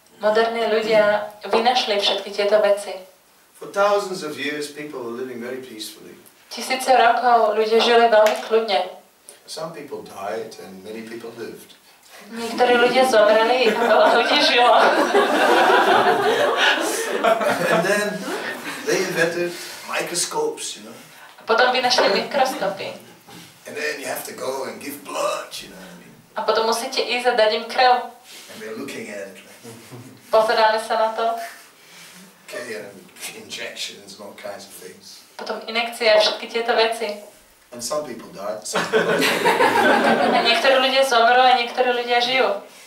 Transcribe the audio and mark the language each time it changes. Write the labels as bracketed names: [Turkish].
[Slovak] Moderní ľudia vynašli všetky tieto veci. [English] For thousands of years people were living very peacefully. [Slovak] Tisíce rokov ľudia žili veľmi kľudne. [English] Some people died and many people lived. [Slovak] Niektorí ľudia zomreli a veľa ľudí žilo. [English] And then they invented microscopes, you know. [Slovak] Potom vynašli mikroskopy. [English] And then you have to go and give blood, you know what I mean? [Slovak] A potom musíte ísť a dať im krv. [English] And they're looking at it. [Slovak] Pozerali sa na to. [English] Okay, injections and all kinds of things. [Slovak] Potom injekcie a všetky tieto veci. [English] And some people die. [Slovak] A niektorí ľudia zomrú a niektorí ľudia žijú.